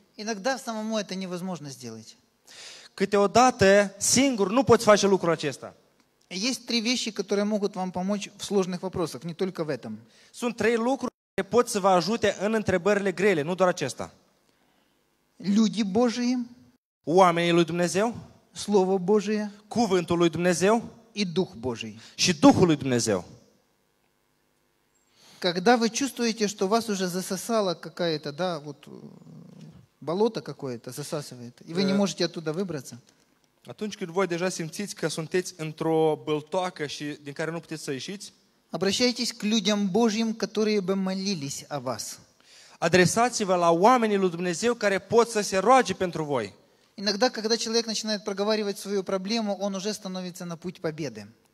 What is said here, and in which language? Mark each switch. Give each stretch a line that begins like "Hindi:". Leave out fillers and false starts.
Russian: Иногда самому это невозможно сделать.
Romanian: Câteodată singur nu poți face lucrul acesta.
Russian: Есть три вещи, которые могут вам помочь в сложных вопросах, не только в этом.
Romanian: Sunt trei lucruri care pot să vă ajute în întrebările grele, nu doar acesta.
Russian: Люди Божии.
Romanian: Oamenii lui Dumnezeu.
Russian: Слово Божие.
Romanian: Cuvântul lui Dumnezeu.
Russian: И Дух Божий.
Romanian: Și Duhul lui Dumnezeu.
Russian: Когда вы чувствуете, что вас уже засосало какая-то, да, вот болото какое-то засасывает, и вы не можете оттуда выбраться.
Romanian: Atunci când voi deja simțiți că sunteți într-o băltoacă și din care nu puteți să ieșiți,
Russian: обращайтесь к людям Божьим, которые бы молились о вас.
Romanian: Adresați-vă la oamenii lui Dumnezeu care pot să se roage pentru voi.
Russian: Иногда, когда человек начинает проговаривать свою проблему, он уже становится на путь победы.